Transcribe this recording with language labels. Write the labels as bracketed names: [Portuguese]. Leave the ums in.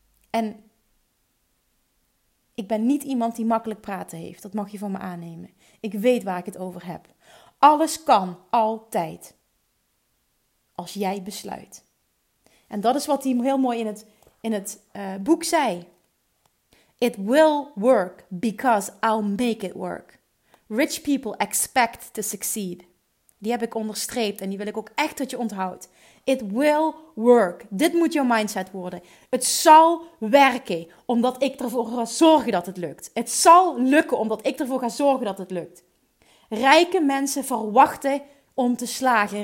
[Dutch] En ik ben niet iemand die makkelijk praten heeft. Dat mag je van me aannemen. Ik weet waar ik het over heb. Alles kan altijd. Als jij besluit. En dat is wat hij heel mooi in het, in het eh, boek zei. [English] It will work because I'll make it work. Rich people expect to succeed. [Dutch] Die heb ik onderstreept en die wil ik ook echt dat je onthoudt. It will work. Dit moet jouw mindset worden. Het zal werken omdat ik ervoor ga zorgen dat het lukt. Het zal lukken omdat ik ervoor ga zorgen dat het lukt. Rijke mensen verwachten om te slagen.